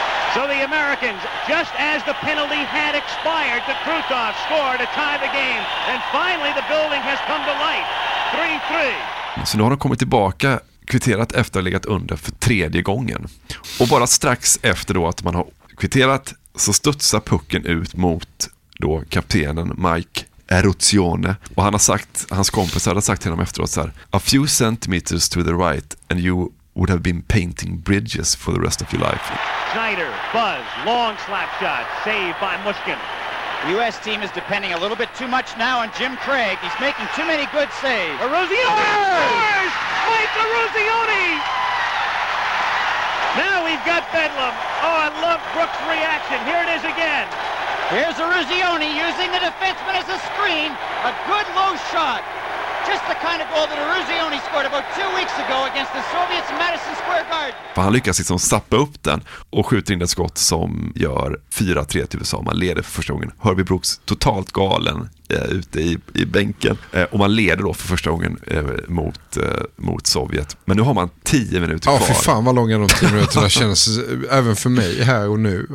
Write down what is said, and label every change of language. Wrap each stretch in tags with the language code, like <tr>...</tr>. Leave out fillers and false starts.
<en>So the Americans, just as the penalty had expired, the Krutov score to tie the game. And finally the building has come to life. 3-3.</en> <sv>Så nu har de kommit tillbaka, kvitterat efter att ha legat under för tredje gången. Och bara strax efter då att man har kvitterat, så studsar pucken ut mot då kaptenen Mike Arizoni. Och han har sagt, hans kompisar har sagt till honom efteråt så här:</sv> <en>a few centimeters to the right and you would have been painting bridges for the rest of your life. Schneider, Buzz, long slap shot, saved by Mushkin. The U.S. team is depending a little bit too much now on Jim Craig. He's making too many good saves. Arizoni! Mike Arizoni! Now we've got Bedlam. Oh, I love Brooks' reaction. Here it is again. Here's Arizoni using the defenseman as a screen. A good low shot. Just the kind of goal that Ruzioni scored about 2 weeks ago against the Soviets in Madison Square Garden.</en> <sv>För han lyckas liksom stappa upp den och skjuter in ett skott som gör 4-3 till USA. Man leder för första gången. Herbie Brooks totalt galen ute i bänken. Och man leder då för första gången mot Sovjet. Men nu har man 10 minuter kvar. Ja, för fan vad långa de 10 minuterna känns. Även för mig här och nu.</sv>